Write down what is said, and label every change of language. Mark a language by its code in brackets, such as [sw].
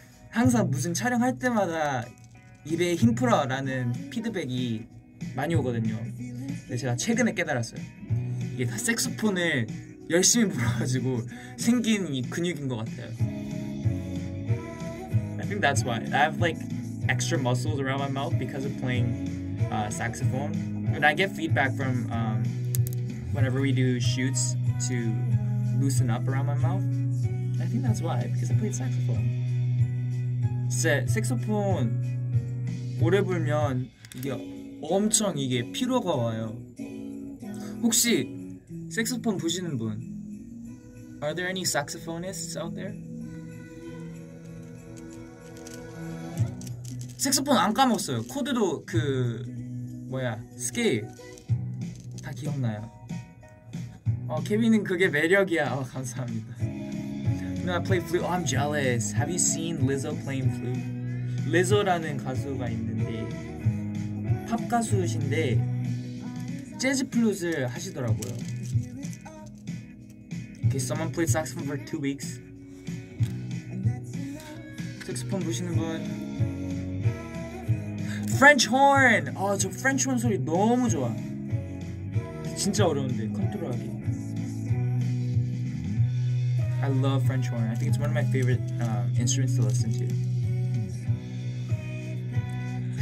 [ko] 항상 무슨 촬영할 때마다 입에 힘 풀어 라는 피드백이 많이 오거든요. 근데 제가 최근에 깨달았어요. 이게 다 색소폰을 열심히 불어가지고 생긴 이 근육인 것 같아요. [en] I think that's why. I have like extra muscles around my mouth because of playing saxophone. And I get feedback from whenever we do shoots to loosen up around my mouth. I think that's why, because I played saxophone. [ko] 진짜 색소폰 오래 불면 이게 엄청 이게 피로가 와요. 혹시 색소폰 부시는 분? [en] Are there any saxophonists out there? [ko] 색소폰 안 까먹었어요. 코드도 그 뭐야 스케일 다 기억나요. 케빈은 그게 매력이야. 감사합니다. [en] You know, I play flute. Oh, I'm jealous. Have you seen Lizzo playing flute? [ko] Lizzo라는 가수가 있는데 팝 가수신데 재즈 플루트를 하시더라고요. [en] Okay, someone played saxophone for 2 weeks. [ko] 색소폰 부시는 분. French horn. 저 French horn 소리 너무 좋아. 진짜 어려운데 컨트롤하기. [en] I love French horn. I think it's one of my favorite instruments to listen to.